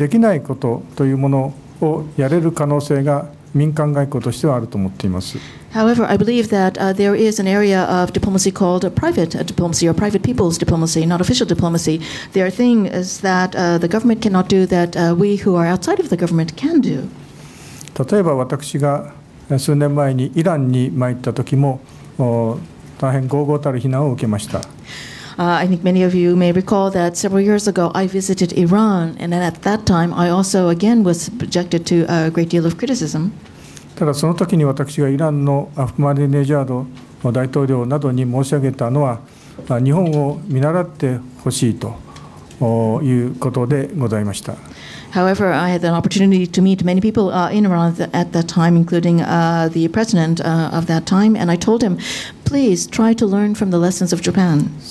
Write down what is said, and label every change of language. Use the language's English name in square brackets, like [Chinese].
[Japanese] ただ現在の政府ではなかなかできないことというものをやれる可能性が 民間外交としてはあると思っています。 [English] However, I believe that there is an area of diplomacy called private diplomacy or private people's diplomacy, not official diplomacy. There are things that the government cannot do that we who are outside of the government can do. [Japanese] 例えば私が数年前にイランに参った時も大変豪豪たる非難を受けました。 [English] I think many of you may recall that several years ago I visited Iran, and then at that time I also again was subjected to a great deal of criticism. [Japanese] ただその時に私がイランのアフマディネジャード大統領などに申し上げたのは、日本を見習ってほしいということでございました。 [English] However, I had an opportunity to meet many people in Iran at that time, including the president of that time, and I told him, please try to learn from the lessons of Japan.